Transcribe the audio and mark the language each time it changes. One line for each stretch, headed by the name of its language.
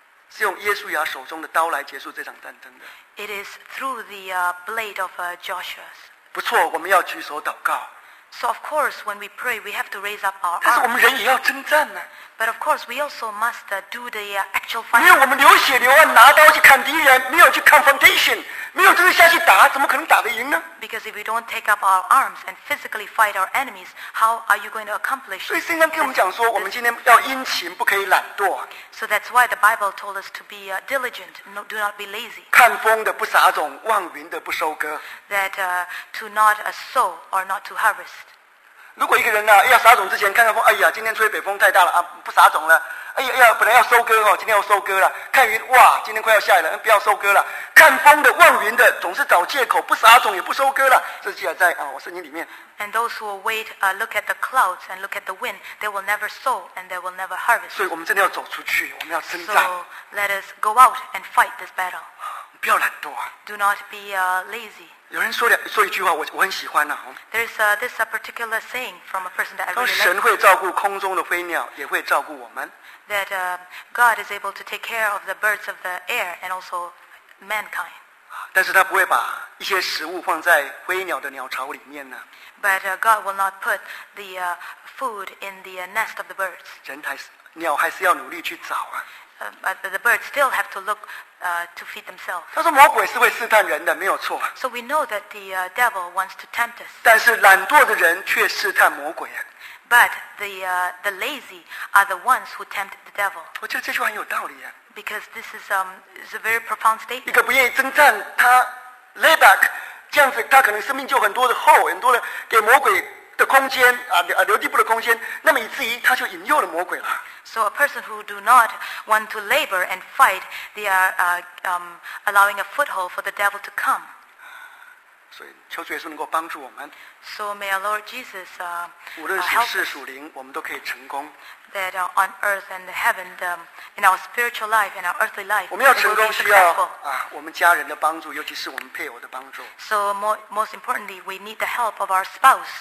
Chinese: 是用耶稣亚手中的刀来结束这场战争的。
English: It is through the blade of Joshua's
Chinese: 不错，我们要举手祷告。
English: So of course, when we pray, we have to raise up our arms.
Chinese: 但是我们人也要征战呢。
English: But of course, we also must do the actual fight.
Chinese: 没有我们流血流汗拿刀去砍敌人，没有去 confrontation， 没有真正下去打，怎么可能打得赢呢？
English: Because if we don't take up our arms and physically fight our enemies, how are you going to accomplish?
Chinese: 所以圣经跟我们讲说，我们今天要殷勤，不可以懒惰。
English: So that's why the Bible told us to be diligent, no, do not be lazy.
Chinese: 看风的不撒种，望云的不收割。
English: That to not sow or not to harvest.
Chinese: 如果一个人呢、啊、要撒种之前看看风，哎呀，今天吹北风太大了啊，不撒种了。哎呀，要本来要收割哦，今天要收割了。看云，哇，今天快要下雨了，不要收割了。看风的望云的，总是找借口不撒种也不收割了。这记载在啊，我圣经里面。
English: And those who wait, look at the clouds and look at the wind, they will never sow and they will never harvest.
Chinese: 所以我们真的要走出去，我们要征战。
English: So let us go out and fight this battle.
Chinese: 不要懒惰、啊。
English: Do not be lazy.
Chinese: 有人 说一句话 我很喜欢、啊、
English: There's this particular saying from a person that I really like.
Chinese: 神会照顾空中的飞鸟也会照顾我们。
English: That God is able to take care of the birds of the air and also mankind.
Chinese: 但是他不会把一些食物放在飞鸟的鸟巢里面呢。
English: But God will not put the food in the nest of the birds.
Chinese: 人还是鸟还是要努力去找啊。
English: But the birds still have to look to feed themselves.
Chinese: 他说魔鬼是会试探人的，没有错。
English: So we know that the devil wants to tempt us.
Chinese: 但是懒惰的人却试探魔鬼。
English: But the lazy are the ones who tempt the devil.
Chinese: 我觉得这句话很有道理啊。
English: Because this is a very profound statement.
Chinese: 一个不愿意征战，他
English: lay back，
Chinese: 这样子他可能生命就很多的后，很多的给魔鬼。的空间啊，留地步的空间，那么以至于他就引诱了魔鬼了。
English: So a person who do not want to labor and fight, they are allowing a foothold for the devil to come.
Chinese: 所以求主耶稣能够帮助我们。
English: So may our Lord Jesus help us.
Chinese: 无论属世属灵，我们都可以成功。
English: That on earth and heaven, in our spiritual life and our earthly life,
Chinese: 我们要成功需要啊，我们家人的帮助，尤其是我们配偶的帮助。
English: So most importantly, we need the help of our spouse.